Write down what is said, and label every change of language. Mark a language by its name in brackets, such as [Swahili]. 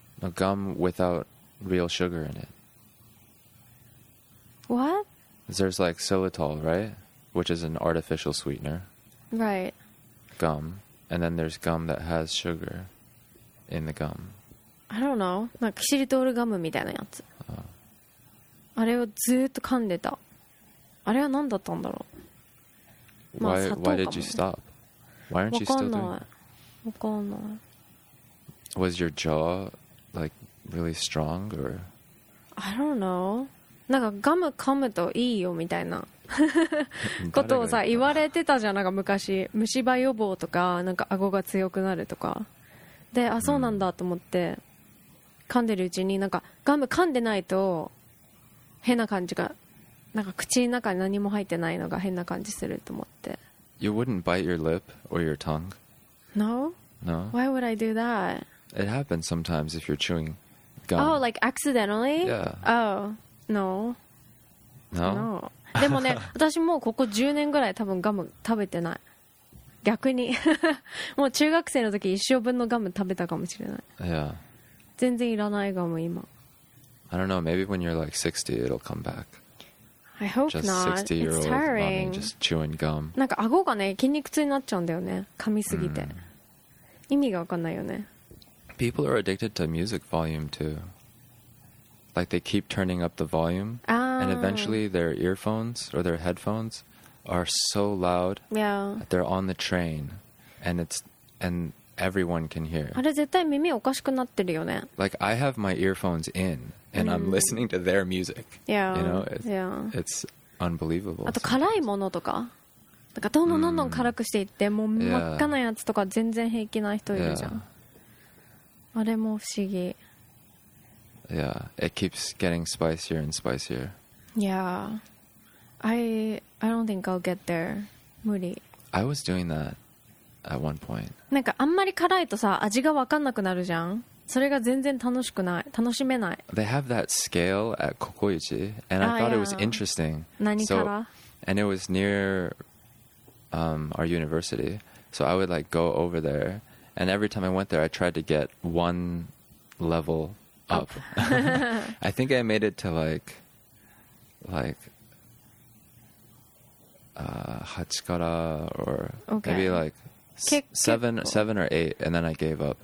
[English] A gum without real sugar in it. What? There's like xylitol, right? Which is an artificial sweetener. Right. Gum. And then there's gum that has sugar in the gum. I don't know. [Japanese] なんかキシリトールガムみたいなやつ。あれをずっと噛んでた。あれは何だったんだろう。まあ砂糖かも。 [English] Why did you stop? Why aren't you still doing? [Japanese] わかんない。 [English] Was your jaw like really strong or? I don't know. [Japanese] なんかガム噛むといいよみたいなことをさ言われてたじゃん。なんか昔虫歯予防とかなんか顎が強くなるとかで、あそうなんだと思って噛んでるうちに、なんかガム噛んでないと変な感じが、なんか口の中に何も入ってないのが変な感じすると思って。 [English] You wouldn't bite your lip or your tongue? No? No? Why would I do that? It happens sometimes if you're chewing gum. Oh, like accidentally? Yeah. Oh, no. No? No. [Japanese] でもね、私もうここ10年ぐらい多分ガム食べてない。逆に。もう中学生の時一生分のガム食べたかもしれない。 [English] Yeah. [Japanese] 全然いらないガム今。 [English] I don't know, maybe when you're like 60 it'll come back. I hope just not. Just 60-year-old It's tiring. Mommy just chewing gum. [Japanese] なんか顎がね、筋肉痛になっちゃうんだよね。噛みすぎて。意味がわかんないよね。 [English] People are addicted to music volume too. Like they keep turning up the volume. And eventually their earphones or their headphones are so loud. Yeah. They're on the train. And everyone can hear. [Japanese] あれ絶対耳おかしくなってるよね。 [English] Like I have my earphones in. And I'm listening to their music. Yeah. You know, it's unbelievable. [Japanese] あと辛いものとか、なんかどんどんどんどん辛くしていって、もう真っ赤なやつとか全然平気な人いるじゃん。 [English] Yeah. [Japanese] あれも不思議。 [English] Yeah, it keeps getting spicier and spicier. Yeah, I don't think I'll get there. [Japanese] 無理。 [English] I was doing that at one point. [Japanese] なんかあんまり辛いとさ、味が分かんなくなるじゃん。それが全然楽しくない。楽しめない。 [English] They have that scale at Kokoichi, and I thought it was interesting. [Japanese] 何から？So, [English] and it was near, our university. So I would like go over there, and every time I went there, I tried to get one level up. I think I made it to like, 8 から or maybe like seven or eight, and then I gave up.